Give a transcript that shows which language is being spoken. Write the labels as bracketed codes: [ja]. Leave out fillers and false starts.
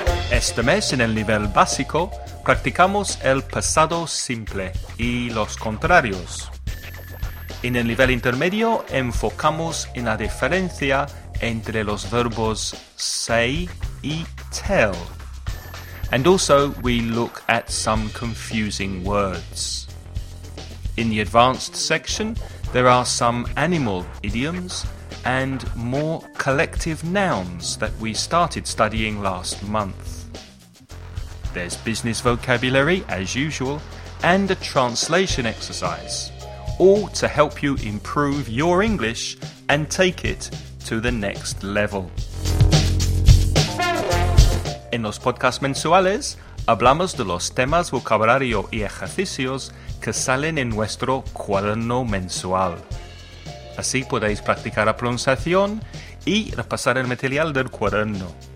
[es] Este mes en el nivel básico, practicamos el pasado simple y los contrarios. En el nivel intermedio, enfocamos en la diferencia entre los verbos say y tell. [en] And also, we look at some confusing words. In the advanced section, there are some animal idioms and more collective nouns that we started studying last month. There's business vocabulary, as usual, and a translation exercise, all to help you improve your English and take it to the next level. [es] En los podcasts mensuales, hablamos de los temas vocabulario y ejercicios que salen en nuestro cuaderno mensual. Así podéis practicar la pronunciación y repasar el material del cuaderno.